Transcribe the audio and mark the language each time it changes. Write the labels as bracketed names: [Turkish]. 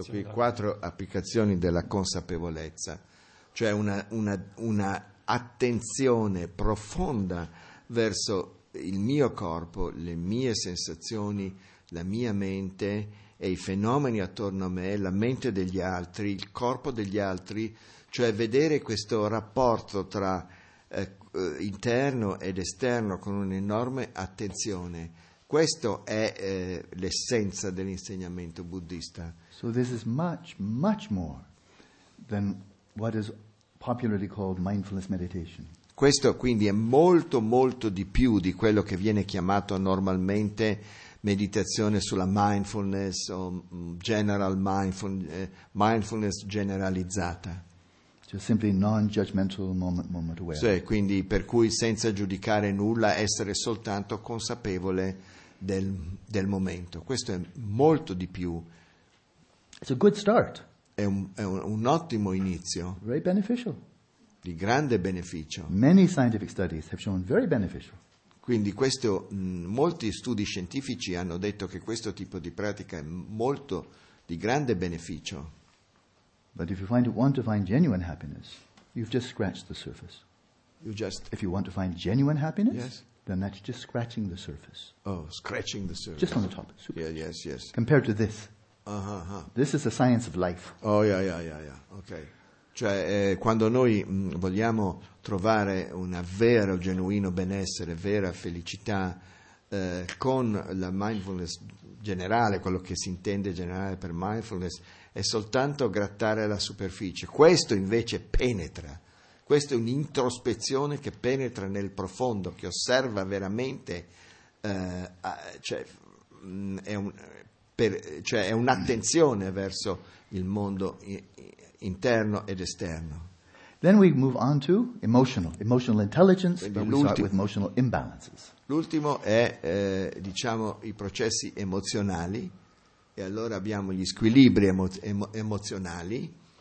[Italian] quattro applicazioni della consapevolezza, cioè una attenzione profonda verso il mio corpo, le mie sensazioni, la mia mente e i fenomeni attorno a me, la mente degli altri, il corpo degli altri, cioè vedere questo rapporto tra interno ed esterno con un'enorme attenzione. Questo è l'essenza dell'insegnamento buddista. [English] So this is much, much more than what is popularly called mindfulness meditation. [Italian] Questo quindi è molto, molto di più di quello che viene chiamato normalmente meditazione sulla mindfulness o [English] general mindfulness [Italian] generalizzata. [English] Just simply non-judgmental moment aware. [Italian] Cioè, quindi per cui senza giudicare nulla, essere soltanto consapevole del momento. Questo è molto di più. [English] It's a good start. [Italian] È un ottimo inizio. [English] Very beneficial. [Italian] Di grande beneficio. [English] Many scientific studies have shown very beneficial. [Italian] Quindi questo, molti studi scientifici hanno detto che questo tipo di pratica è molto di grande beneficio. [English] But if you want to find genuine happiness, you've just scratched the surface. If you want to find genuine happiness, yes, then that's just scratching the surface. Oh, scratching the surface. Just on the top. Super. Yeah, yes, yes. Compared to this. Uh-huh. This is the science of life. Oh, yeah. Okay. [Italian] Cioè, quando noi vogliamo trovare un vero, genuino benessere, vera felicità, con la mindfulness generale, quello che si intende generale per mindfulness, è soltanto grattare la superficie. Questo invece penetra. Questa è un'introspezione che penetra nel profondo, che osserva veramente, è un'attenzione verso il mondo interno ed esterno. [English] Then we move on to emotional intelligence, but we start with emotional imbalances. [Italian] L'ultimo è i processi emozionali, e allora abbiamo gli squilibri emozionali.